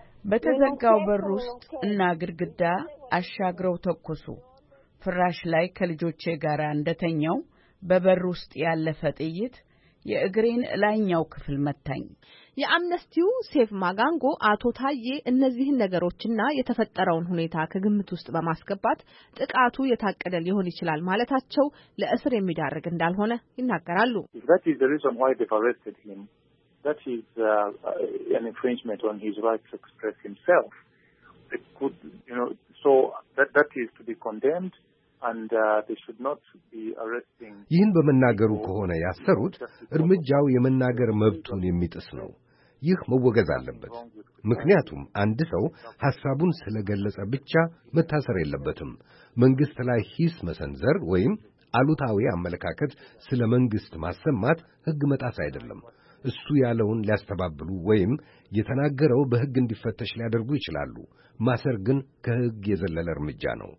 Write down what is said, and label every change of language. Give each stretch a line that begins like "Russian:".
Amharic: በተዘጋው በር ውስጥ እና ግድግዳ አሻግረው ተኩሱ። ፍራሽ ላይ ከልጆቼ ጋር እንደተኛው በበር ውስጥ ያለፈ ጥይት የእግሬን ላይኛው ክፍል መታኝ። የአምነስቲው ሴፍ ማጋንጎ አቶ ታዬ እነዚህን ነገሮችና የተፈጠረውን ሁኔታ ከግምት ውስጥ በማስገባት ጥቃቱ የታቀደ ሊሆን ይችላል ማለታቸው ለእስር የሚዳርግ እንዳልሆነ ይናገራሉ።
English: That is the reason why they arrested him. That is an infringement on his right to express himself. It could, you know, so that is to be condemned. And they should not be arresting.
Amharic: ይህን በመናገሩ ከሆነ ያሰሩት እርምጃው የመናገር መብቱን የሚጥስ ነው። ይህ መወገዝ አለበት። ምክንያቱም አንድ ሰው ሐሳቡን ስለገለጸ ብቻ መታሰር የለበትም። መንግስት ላይ ሂስ መሰንዘር ወይም አሉታዊ አመለካከት ስለ መንግስት ማሰማት ህግ መጣስ አይደለም። እሱ ያለውን ሊያስተባብሉ ወይም የተናገረው በህግ እንዲፈተሽ ሊያደርጉ ይችላሉ። ማሰር ግን ከህግ የዘለለ እርምጃ ነው።